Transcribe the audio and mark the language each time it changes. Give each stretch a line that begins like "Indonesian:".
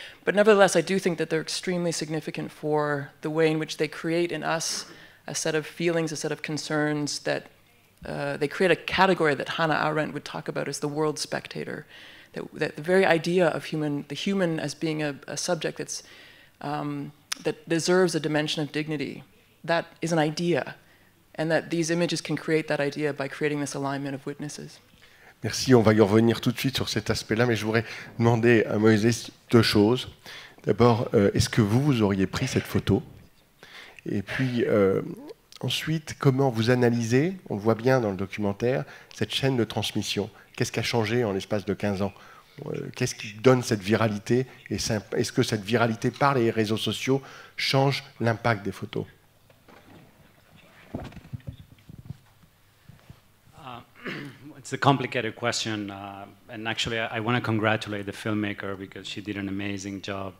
English: But nevertheless, I do think that they're extremely significant for the way in which they create in us a set of feelings, a set of concerns, that they create a category that Hannah Arendt would talk about as the world spectator, that the very idea of human, the human as being a subject that's that deserves a dimension of dignity, that is an idea, and that these images can create that idea by creating this alignment of witnesses.
French: Merci, on va y revenir tout de suite sur cet aspect-là, mais je voudrais demander à Moïse deux choses. D'abord, est-ce que vous auriez pris cette photo? Et puis, ensuite, comment vous analysez, on le voit bien dans le documentaire, cette chaîne de transmission? Qu'est-ce qui a changé en l'espace de 15 ans? Qu'est-ce qui donne cette viralité? Et est-ce que cette viralité par les réseaux sociaux change l'impact des photos?
English: It's a complicated question, and actually I want to congratulate the filmmaker because she did an amazing job.